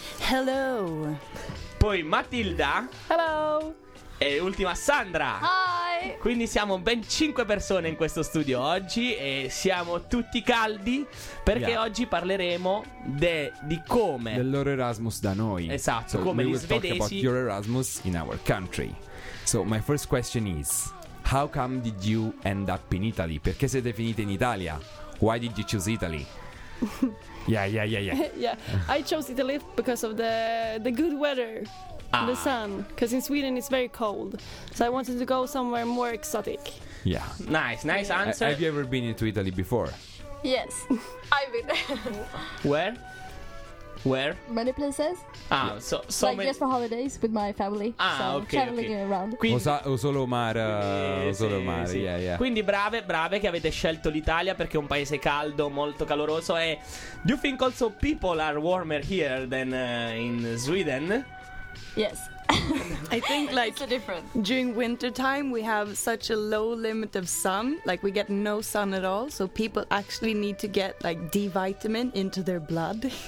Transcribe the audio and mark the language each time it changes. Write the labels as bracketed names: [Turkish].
[English] Hello. [Italian] Poi Matilda. [English] Hello. [Italian] E ultima Sandra. [English] Hi. [Italian] Quindi siamo ben 5 persone in questo studio oggi e siamo tutti caldi perché oggi parleremo di come del loro Erasmus da noi. Esatto, so come gli svedesi. [English] We will talk about your Erasmus in our country. So my first question is, how come did you end up in Italy? Perché siete finiti in Italia? Why did you choose Italy? Yeah. I chose Italy because of the good weather. The sun, because in Sweden it's very cold, so I wanted to go somewhere more exotic. Yeah, nice yeah. Answer. Have you ever been into Italy before? Yes, I've been. Where? Many places. Ah, yes. so like just for holidays with my family. Ah, so okay. Traveling okay. Around. [Italian] Solo mare. Sì. Yeah. Quindi brave che avete scelto l'Italia perché è un paese caldo, molto caloroso. [English] E do you think also people are warmer here than in Sweden? Yes. I think like during winter time we have such a low limit of sun, like we get no sun at all, so people actually need to get like D vitamin into their blood.